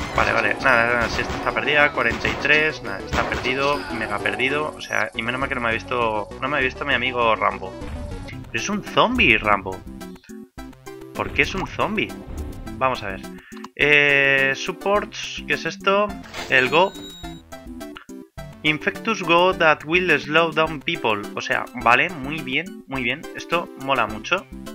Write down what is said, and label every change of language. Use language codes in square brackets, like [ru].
[es] Vale, vale. Nada, si esta está perdida. 43. Nada, está perdido. Mega perdido. O sea, y menos mal que no me ha visto mi amigo Rambo. Pero es un zombie, Rambo. ¿Por qué es un zombie? Vamos a ver. Supports, ¿qué es esto? El Go. [en] Infectus Go that will slow down people. [es] O sea, vale, muy bien, muy bien. Esto mola mucho.